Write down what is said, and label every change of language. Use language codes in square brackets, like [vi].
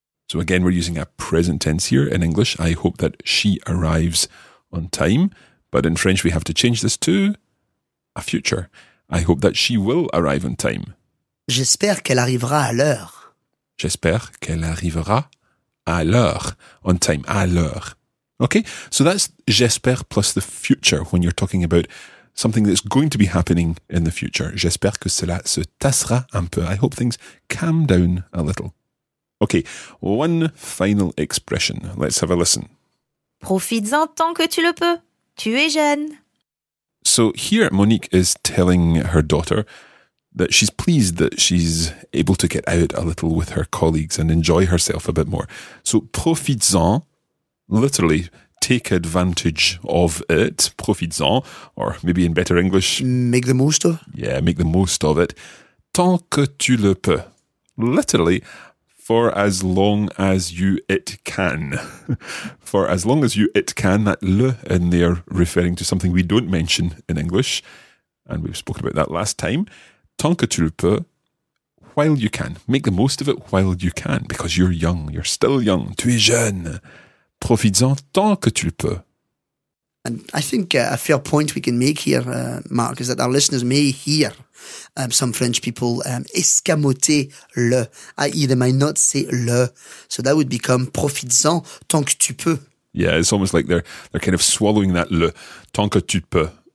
[en] So again, we're using a present tense here in English. I hope that she arrives on time. But in French, we have to change this to a future. I hope that she will arrive on time. [fr] J'espère qu'elle arrivera à l'heure. J'espère qu'elle arrivera à l'heure. [en] On time, [fr] à l'heure. [en] Okay, so that's j'espère plus the future when you're talking about something that's going to be happening in the future. [fr] J'espère que cela se tassera un peu. [en] I hope things calm down a little. Okay, one final expression. Let's have a listen. [fr] Profites-en tant que tu le peux. Tu es jeune. [en] So here Monique is telling her daughter that she's pleased that she's able to get out a little with her colleagues and enjoy herself a bit more. So profites-en, literally, take advantage of it, profites-en, or maybe in better English, make the most of. Yeah, make the most of it. [fr] Tant que tu le peux, [en] literally, for as long as you it can. For as long as you it can, that le in there referring to something we don't mention in English, and we've spoken about that last time. [fr] Tant que tu le peux, [en] while you can. Make the most of it while you can, because you're young, you're still young. [fr] Tu es jeune. Profites-en tant que tu le peux. [en] And I think a fair point we can make here, Mark, is that our listeners may hear some French people [fr] escamoter le, [en] i.e. they might not say le. So that would become [fr] profites-en tant que tu peux. [en] Yeah, it's almost like they're kind of swallowing that le, [fr] tant que tu peux.